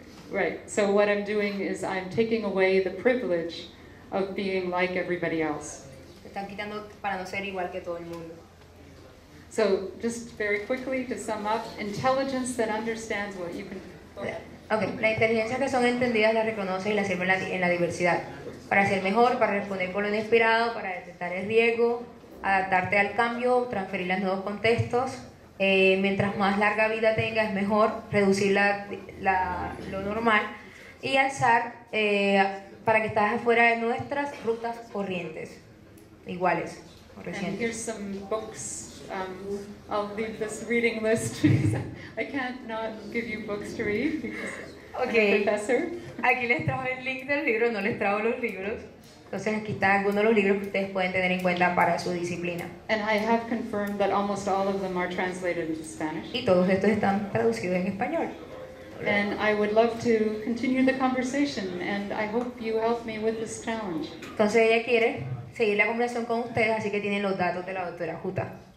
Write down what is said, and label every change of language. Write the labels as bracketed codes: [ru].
[en] Right, so what I'm doing is I'm taking away the privilege of being like everybody else. [es] Te están quitando para no ser igual que todo el mundo. [en] So, just very quickly to sum up, intelligence that understands what you can... [es] Okay, la inteligencia que son entendidas la reconoce y la sirve en la diversidad. Para ser mejor, para responder por lo inesperado, para detectar el riesgo, adaptarte al cambio, transferir los nuevos contextos. Mientras más larga vida tenga, es mejor reducir lo normal y alzar para que estés afuera de nuestras rutas corrientes, iguales o recientes. [en] And here's some books. I'll leave this reading list because I can't not give you books to read because I'm a professor. [es] Aquí les trajo el link del libro, no les trajo los libros. Entonces aquí están algunos de los libros que ustedes pueden tener en cuenta para su disciplina. [en] And I have confirmed that almost all of them are translated into Spanish. [es] Y todos estos están traducidos en español. [en] And I would love to continue the conversation, and I hope you help me with this challenge. [es] Entonces ella quiere seguir la conversación con ustedes, así que tienen los datos de la doctora Jutta.